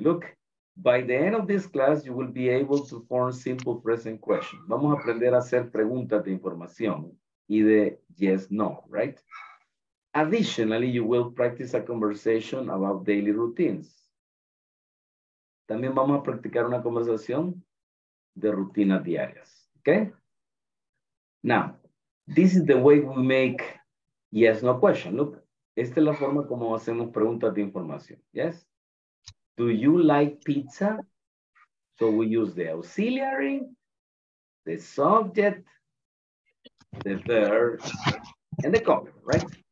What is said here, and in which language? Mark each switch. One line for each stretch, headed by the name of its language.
English: Look, by the end of this class, you will be able to form simple present questions.
Spanish: Vamos a aprender a hacer preguntas de información y de
English: yes, no, right? Additionally, you will practice a conversation about daily routines.
Spanish: También vamos a practicar una conversación de rutinas diarias.
English: Ok. Now, this is the way we make yes, no question.
Spanish: Look, esta es la forma como hacemos preguntas de información.
English: Yes? Do you like pizza? So we use the auxiliary, the subject, the verb, and the complement, right?